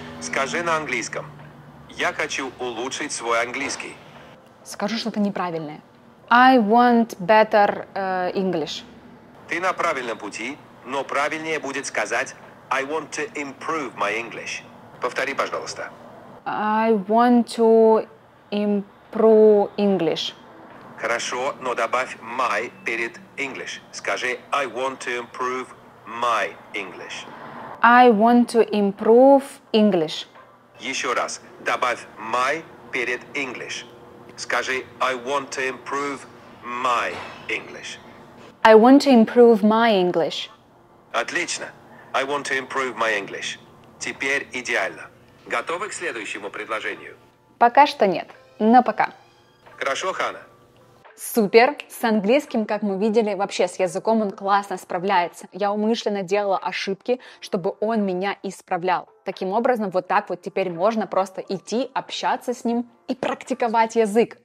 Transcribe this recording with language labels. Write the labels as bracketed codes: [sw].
[ru] Скажи на английском. Я хочу улучшить свой английский. Скажу что-то неправильное. [en] I want better English. [ru] Ты на правильном пути, но правильнее будет сказать [en] I want to improve my English. [ru] Повтори, пожалуйста. [en] I want to improve English. [ru] Хорошо, но добавь my перед English. Скажи [en] I want to improve my English. I want to improve English. [ru] Еще раз. Добавь my перед English. Скажи [en] I want to improve my English. I want to improve my English. [ru] Отлично. [en] I want to improve my English. [ru] Теперь идеально. Готовы к следующему предложению? Пока что нет. Но пока. Хорошо, Хана. Супер! С английским, как мы видели, вообще с языком он классно справляется. Я умышленно делала ошибки, чтобы он меня исправлял. Таким образом, вот так вот теперь можно просто идти, общаться с ним и практиковать язык.